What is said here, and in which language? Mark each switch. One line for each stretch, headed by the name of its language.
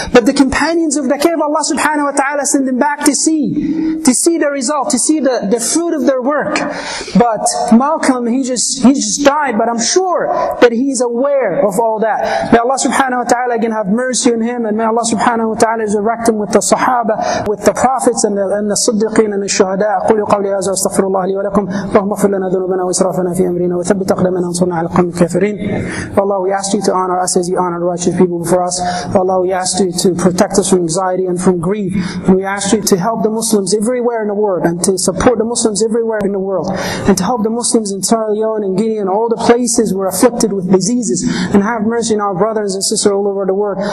English: But the companions of the cave, Allah subhanahu wa ta'ala sent them back to see the result, to see the fruit of their work. But Malcolm, he just died, but I'm sure that he's aware of all that. May Allah subhanahu wa ta'ala again have mercy on him, and may Allah subhanahu wa ta'ala resurrect him with the Sahaba, with the prophets and the Siddiqeen and the Shuhada.
Arabic: قولوا قولي هذا واستغفر الله لي ولكم اللهم اغفر لنا ذنوبنا وإسرافنا في أمرنا وثبت أقدامنا وانصرنا على القوم الكافرين.
English: Allah, we ask you to honor us as you honor righteous people before us. Allah, we ask you to protect us from anxiety and from grief. And we ask you to help the Muslims everywhere in the world and to support the Muslims everywhere in the world and to help the Muslims in Sierra Leone and Guinea and all the places we're afflicted with diseases and have mercy on our brothers and sisters all over the world.